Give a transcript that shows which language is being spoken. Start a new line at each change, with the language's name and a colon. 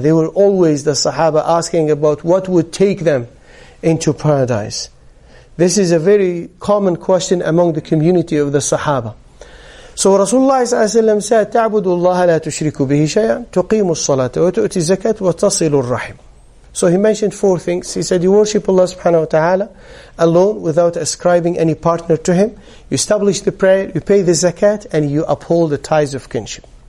English: They were always, the Sahaba, asking about what would take them into paradise. This is a very common question among the community of the Sahaba. So Rasulullah
Arabic: صلى الله عليه وسلم
English: said,
Arabic: تَعْبُدُ اللَّهَ لَا تُشْرِكُ بِهِ شَيْئًا تُقِيمُ الصَّلَاةَ وَتُؤْتِ الزَّكَاةَ وَتَصِلُ الرَّحِيمُ.
English: So he mentioned four things. He said, you worship Allah subhanahu wa ta'ala alone without ascribing any partner to Him. You establish the prayer, you pay the zakat, and you uphold the ties of kinship.